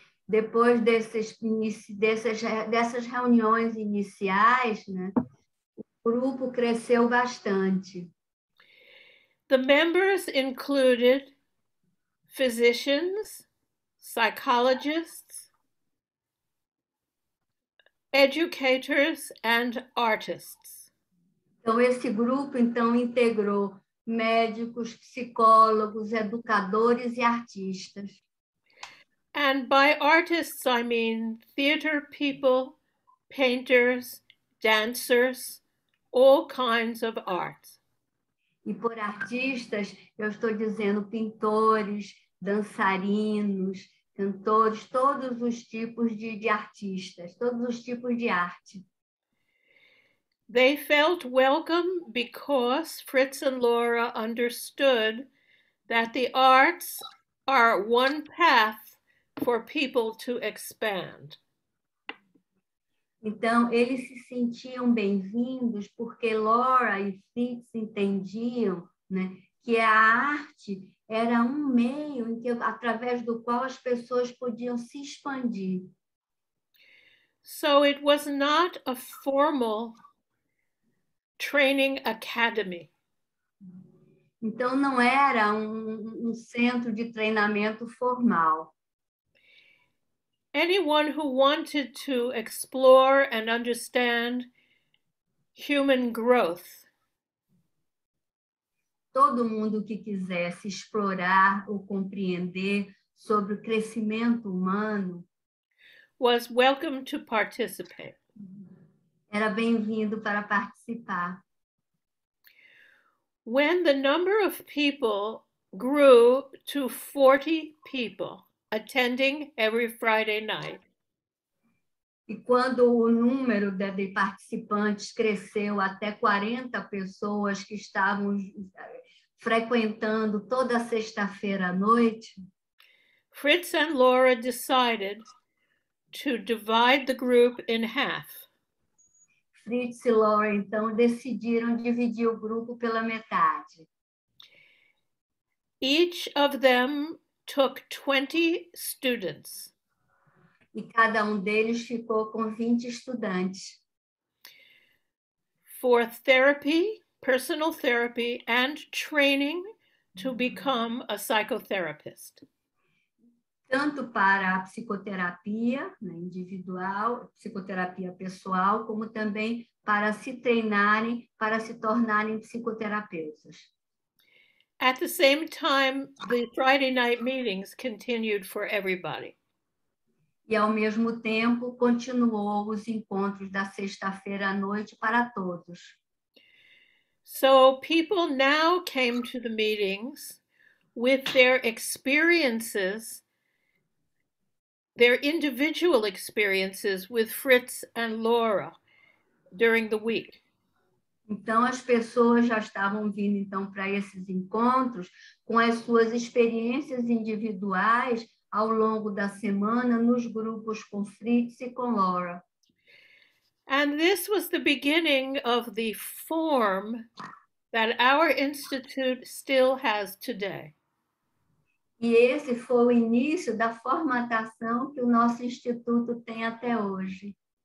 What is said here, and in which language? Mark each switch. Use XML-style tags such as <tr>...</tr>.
<pt>Depois dessas reuniões iniciais, né, o grupo cresceu bastante.</pt> <en>The members included physicians, psychologists, educators, and artists.</en> <pt>Então, esse grupo, então, integrou médicos, psicólogos, educadores e artistas.</pt> <en>And by artists, I mean theater people, painters, dancers, all kinds of arts.</en> <pt>E por artistas, eu estou dizendo pintores, dançarinos, cantores, todos os tipos de artistas, todos os tipos de arte.</pt> <en>They felt welcome because Fritz and Laura understood that the arts are one path for people to expand.</en> <pt>Então, eles se sentiam bem-vindos porque Laura e Fritz entendiam, né, que a arte era um meio em que, através do qual as pessoas podiam se expandir.</pt> <en>So it was not a formal training academy.</en> <pt>Então não era um centro de treinamento formal.</pt> <en>Anyone who wanted to explore and understand human growth.</en> <pt>Todo mundo que quisesse explorar ou compreender sobre o crescimento humano</pt> <en>was welcome to participate.</en> <pt>Era bem-vindo para participar.</pt> <en>When the number of people grew to 40 people attending every Friday night.</en> <pt>E quando o número de participantes cresceu até 40 pessoas que estavam frequentando toda sexta-feira à noite,</pt> <en>Fritz and Laura decided to divide the group in half.</en> <pt>Fritz e Laura, então, decidiram dividir o grupo pela metade.</pt> <en>Each of them took 20 students.</en> <pt>E cada um deles ficou com 20 estudantes.</pt> <en>For therapy, personal therapy, and training to become a psychotherapist.</en> <pt>Tanto para a psicoterapia, né, individual, psicoterapia pessoal, como também para se treinarem, para se tornarem psicoterapeutas.</pt> <en>At the same time, the Friday night meetings continued for everybody.</en> <pt>E ao mesmo tempo, continuou os encontros da sexta-feira à noite para todos.</pt> <en>So people now came to the meetings with their experiences, their individual experiences with Fritz and Laura during the week.</en> <pt>Então, as pessoas já estavam vindo, então, para esses encontros com as suas experiências individuais ao longo da semana nos grupos com Fritz e com Laura.</pt> <en>And this was the beginning of the form that our institute still has today.</en> <pt>E esse foi o início da formatação que o nosso instituto tem até hoje.</pt>